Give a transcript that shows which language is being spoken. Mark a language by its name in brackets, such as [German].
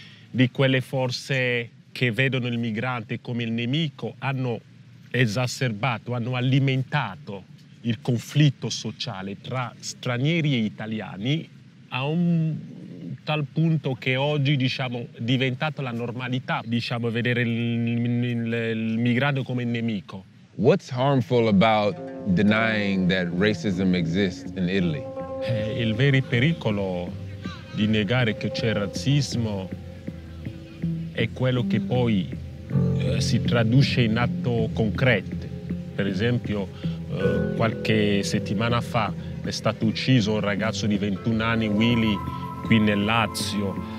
[Italian] di quelle forze che vedono il migrante come il nemico, hanno esacerbato, hanno alimentato il conflitto sociale tra stranieri e italiani a un tal punto che oggi diciamo è diventata la normalità, diciamo, vedere il migrante come nemico. [English] What's harmful about denying that racism exists in Italy? [Italian] Il vero pericolo di negare che c'è razzismo è quello che poi si traduce in atto concreto. Per esempio, qualche settimana fa è stato ucciso un ragazzo di 21 anni, Willy, qui nel Lazio.